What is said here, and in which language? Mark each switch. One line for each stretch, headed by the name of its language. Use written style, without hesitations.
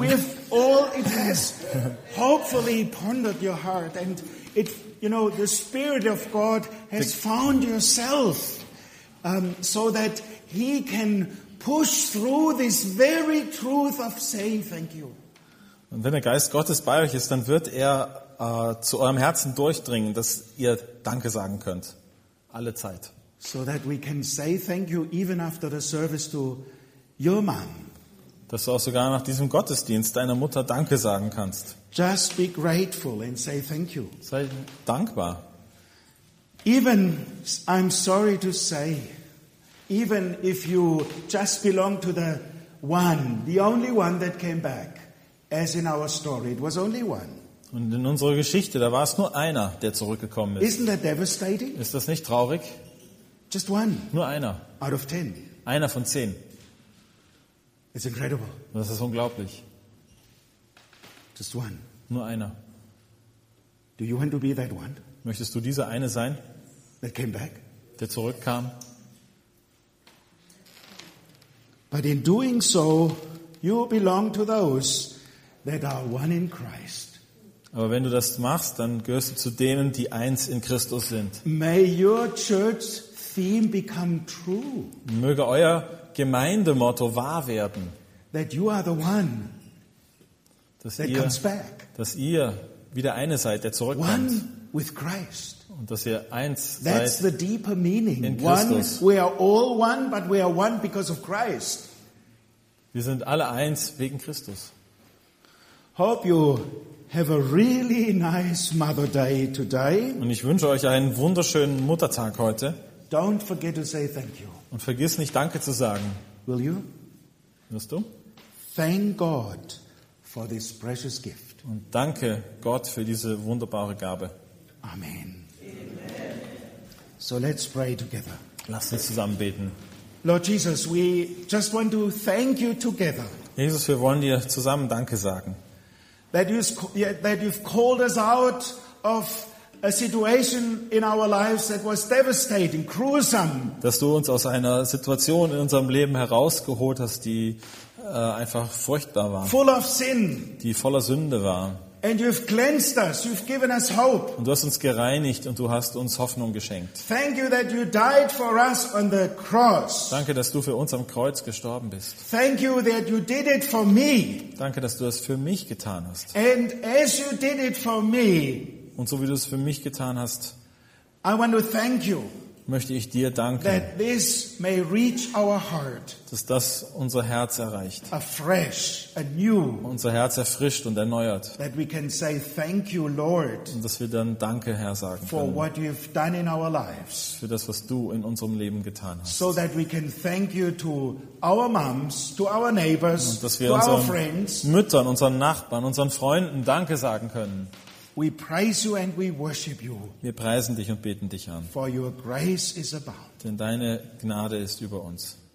English: With all it has hopefully pondered your heart and it, you know, the Spirit of God has found yourself so that he can push through this very truth of saying thank you.
German: Und wenn der Geist Gottes bei euch ist, dann wird er zu eurem Herzen durchdringen, dass ihr Danke sagen könnt. Alle Zeit.
English: So that we can say thank you even after the service to your mom.
German: Dass du auch sogar nach diesem Gottesdienst deiner Mutter Danke sagen kannst.
English: Just be grateful and say thank you.
German: Sei dankbar.
English: Even, I'm sorry to say, even if you just belong to the only one that came back, as in our story, it was only one.
German: Und in unserer Geschichte, da war es nur einer, der zurückgekommen ist.
English: Isn't that devastating?
German: Ist das nicht traurig?
English: Just one.
German: Nur einer.
English: Out of 10.
German: Einer von 10.
English: It's incredible.
German: Das ist unglaublich.
English: Just one.
German: Nur einer.
English: Do you want to be that one?
German: Möchtest du dieser eine sein?
English: That came back.
German: Der zurückkam.
English: But in doing so, you belong to those that are one in Christ.
German: Aber wenn du das machst, dann gehörst du zu denen, die eins in Christus sind.
English: May your church theme become true.
German: Möge euer Gemeindemotto wahr werden.
English: That you are the one that comes back.
German: Dass ihr wieder eine seid, der zurückkommt.
English: One with Christ.
German: Und dass ihr eins seid.
English: That's the deeper meaning.
German: In Christus.
English: One, we are all one, but we are one because of Christ.
German: Wir sind alle eins wegen Christus.
English: Hope you have a really nice Mother Day today.
German: Und ich wünsche euch einen wunderschönen Muttertag heute.
English: Don't forget to say thank you.
German: Und vergiss nicht, Danke zu sagen.
English: Will you?
German: Wirst du?
English: Thank God for this precious gift.
German: Und danke Gott für diese wunderbare Gabe.
English: Amen. So let's pray together.
German: Lasst uns zusammen beten.
English: Lord Jesus, we just want to thank you together.
German: Jesus, wir wollen dir zusammen Danke sagen.
English: That you've called us out of a situation in our lives that was devastating, cruelsome.
German: Dass du uns aus einer Situation in unserem Leben herausgeholt hast, die einfach furchtbar war.
English: Full of sin.
German: Die voller Sünde war.
English: And you've cleansed us. You've given us hope.
German: Und du hast uns gereinigt und du hast uns Hoffnung geschenkt.
English: Thank you that you died for us on the cross.
German: Danke, dass du für uns am Kreuz gestorben bist.
English: Thank you that you did it for me.
German: Danke, dass du das für mich getan hast.
English: And as you did it for me.
German: Und so wie du es für mich getan hast.
English: I want to thank you.
German: Möchte ich dir danken.
English: That this may reach our heart.
German: Dass das unser Herz erreicht.
English: Afresh, anew.
German: Unser Herz erfrischt und erneuert.
English: That we can say thank you, Lord.
German: Und dass wir dann Danke, Herr, sagen
English: for
German: können.
English: What you've done in our lives.
German: Für das, was du in unserem Leben getan hast.
English: So that we can thank you to our moms, to our neighbors,
German: und dass wir unseren Müttern, unseren Nachbarn, unseren Freunden Danke sagen können.
English: We praise you and we worship you.
German: Wir preisen dich und beten dich an.
English: For your grace is about.
German: Denn deine Gnade ist über uns.